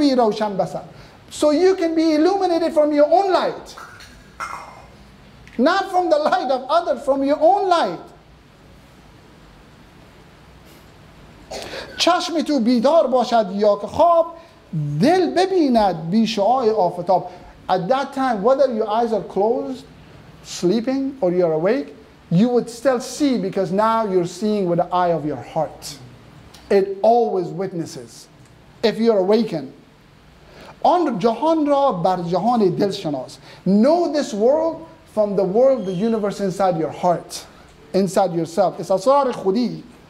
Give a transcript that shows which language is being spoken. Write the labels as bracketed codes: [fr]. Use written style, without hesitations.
[en] So you can be illuminated from your own light. Not from the light of others, from your own light. [fa] چشم تو بیدار باشد یا خواب دل ببیند بی شعای آفتاب. [en] At that time, whether your eyes are closed, sleeping, or you're awake, you would still see, because now you're seeing with the eye of your heart. It always witnesses. If you're awakened, [fa] on jahan ra bar jahan dil shanas, [en] know this world from the world, the universe inside your heart, inside yourself. It's asrar khudi.